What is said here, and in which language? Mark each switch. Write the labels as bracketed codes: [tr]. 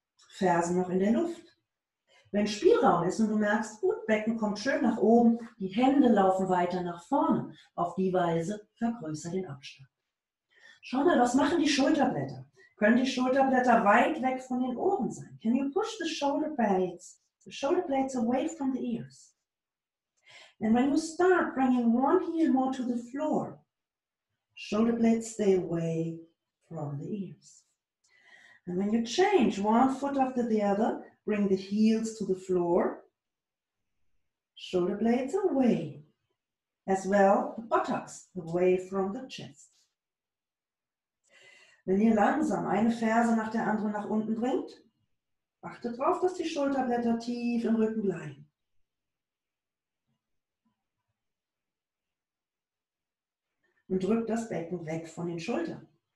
[de] Fersen noch in der Luft. Wenn Spielraum ist und du merkst, gut, Becken kommt schön nach oben, die Hände laufen weiter nach vorne. Auf die Weise vergrößere den Abstand. Schau mal, was machen die Schulterblätter? Können die Schulterblätter weit weg von den Ohren sein? [en] Can you push the shoulder blades away from the ears? And when you start bringing one heel more to the floor, shoulder blades stay away from the ears. And when you change one foot after the other, bring the heels to the floor, shoulder blades away. As well, the buttocks away from the chest. [de] Wenn ihr langsam eine Ferse nach der anderen nach unten bringt, achtet darauf, dass die Schulterblätter tief im Rücken bleiben. Und drückt das Becken weg von den Schultern.